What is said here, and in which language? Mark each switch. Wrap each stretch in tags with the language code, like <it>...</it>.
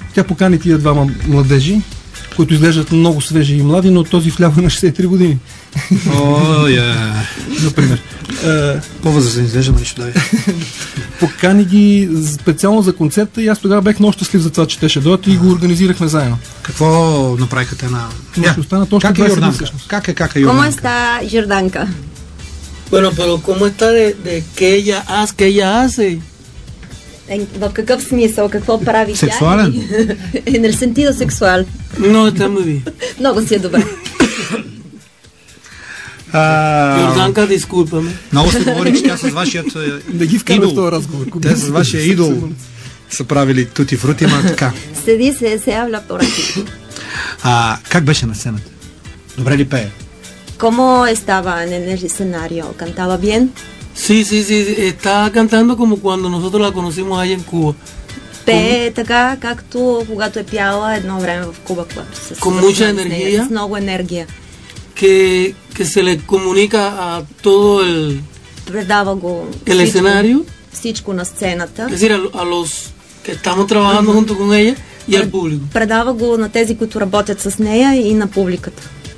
<bg>Тя покани тия двама младежи, които изглеждат много свежи и млади, но този вляво е на 63 години. О, я. Например. По-възрастен изглежда, нищо да е. Покани ги специално за концерта и аз тогава бях много щастлив за това, че те ще дойдат и го организирахме заедно. Какво направиха те на...</bg> <en>Yeah.</en> <bg>Как е Йорданка? Как е Йорданка?</bg> <es>Como está</es> <bg>Йорданка?</bg> <es>Bueno, pero ¿cómo está de qué ella hace? ¿Qué ella hace?</es> <bg>В какъв смисъл? Какво прави? Сексуален?</bg> <es>En el sentido sexual. No, está muy bien.</es> <bg>Много си е добре. Йорданка, дискулпа ме. Много се говори, че тя с вашият да ги вкарам в този разговор. Те с вашия идол са правили тути фрути, ама така. Седи се, се явля по ръки. Как беше на сцената? Добре ли пее?</bg> <es>¿Cómo estaba en el escenario? ¿Cantaba bien? Sí. Estaba cantando como cuando nosotros la conocimos ahí en Cuba.</es> <bg>Така, както когато е пяла едно време в Куба.</bg> <es>Con mucha energía.</es> <bg>С много енергия.</bg> <es>Que se le comunica a todo el...</es> <bg>Предава го...</bg> <es>El escenario.</es> <bg>Всичко на сцената.</bg> <es>Es decir, a los que estamos trabajando junto con ella y al público.</es> <bg>Предава го на тези, които работят с нея и на публиката.</bg>